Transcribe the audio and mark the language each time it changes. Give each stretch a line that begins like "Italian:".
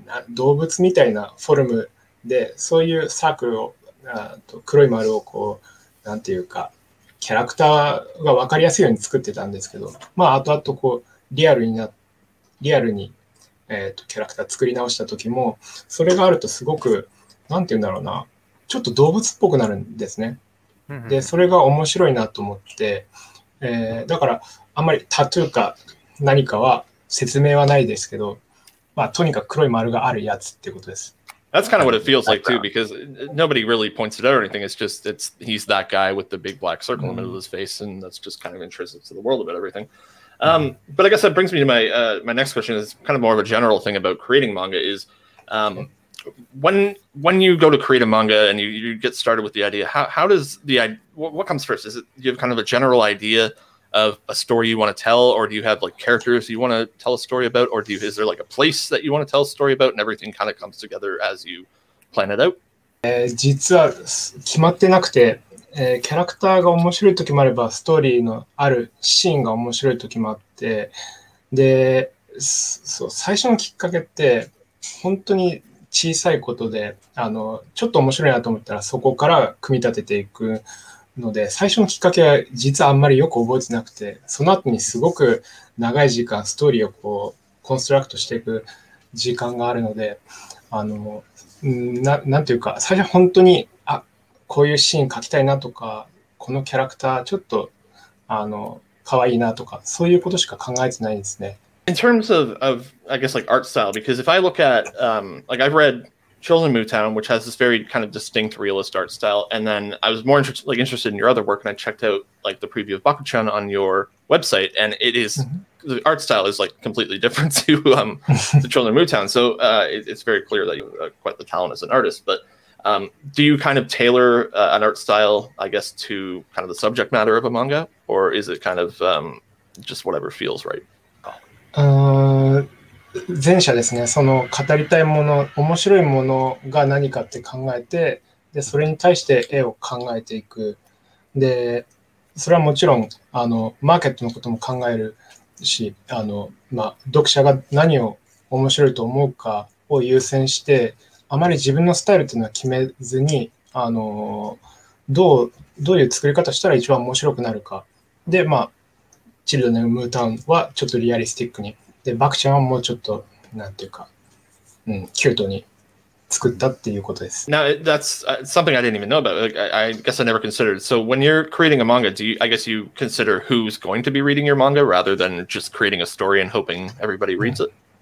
Japanese: 動物みたいなフォルムで、そういうサークルを黒い丸をこうなんていうかキャラクターが分かりやすいように作ってたんですけど、まあ後々こうリアルに、キャラクター作り直した時もそれがあるとすごくなんて言うんだろうな、ちょっと動物っぽくなるんですね。でそれが面白いなと思って、だからあんまりタトゥーか何かは説明はないですけど、まあとにかく黒い丸があるやつってことです。
English: That's kind of what it feels like too, because nobody really points it out or anything. It's he's that guy with the big black circle in the middle of his face, and that's just kind of intrinsic to the world about everything. But I guess that brings me to my next question. It's kind of more of a general thing about creating manga. Is when you go to create a manga and you get started with the idea, how does the what comes first? Is it you have kind of a general idea of a story you want to tell, or do you have like characters you want to tell a story about, or is there like a place that you want to tell a story about, and everything kind of comes together as you plan it out?
Japanese: 実は決まってなくて、キャラクターが面白い時もあればストーリーのあるシーンが面白い時もあって、でそう最初のきっかけって本当に小さいことで、ちょっと面白いなと思ったらそこから組み立てていくので、最初のきっかけは実はあんまりよく覚えてなくて、その後にすごく長い時間ストーリーをこうコンストラクトしていく時間があるので、なんていうか、最初本当に、あ、こういうシーン描きたいなとか、このキャラクターちょっと、可愛いなとか、そういうことしか考えてないですね。
English: In terms of I guess, like, art style, because if I look at, like, I've read Children of Mutown, which has this very kind of distinct realist art style, and then I was more interested in your other work, and I checked out, like, the preview of Bakuchan on your website, and it is, mm-hmm. the art style is, like, completely different to the Children of Mutown, so it's very clear that you have quite the talent as an artist, but do you kind of tailor an art style, I guess, to kind of the subject matter of a manga, or is it kind of just whatever feels right?
Japanese: 前者ですね。その語りたいもの、面白いものが何かって考えて、でそれに対して絵を考えていく。でそれはもちろんマーケットのことも考えるし、まあ、読者が何を面白いと思うかを優先して、あまり自分のスタイルというのは決めずに、どういう作り方したら一番面白くなるかで、まあ、チルドネムータウンはちょっとリアリスティックに、でバクちゃんはもうちょっとなんていうか、キュートに作ったっていうことです。
English: Now that's something I didn't even know about. Like, I guess I never considered. So when you're creating a manga, do you, I guess you consider who's going to be reading your manga rather than just creating a story and hoping everybody reads it?